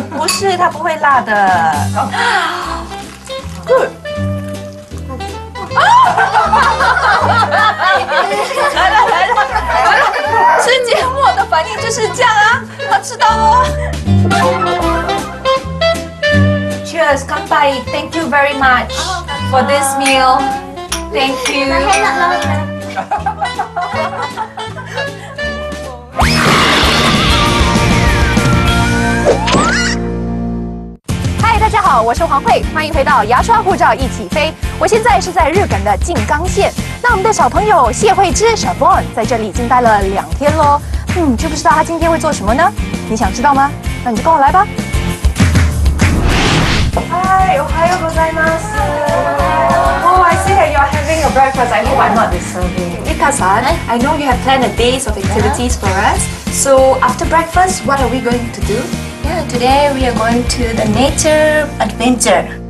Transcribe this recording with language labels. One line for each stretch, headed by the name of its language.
Chinese: 不是，它不会辣的。来了，吃芥末的反应就是这样啊，我知道了。
English: Cheers,
Chinese: 乾杯
English: ！Thank you very much for this meal. Thank you.
Chinese: 嗨，大家好，我是黄慧，欢迎回到牙刷护照一起飞。我现在是在日本的静冈县，那我们的小朋友谢慧芝 Siobhan 在这里已经待了两天喽。知不知道他今天会做什么呢？你想知道吗？那你就跟我来吧。
English: Hi,
Japanese: ohayou gozaimasu.
English: Oh, I see that you are having your breakfast. I hope I'm not disturbing. Rika-san, I know you have planned a day of activities for us. So after breakfast, what are we going to do? Yeah, today we are going to the nature adventure.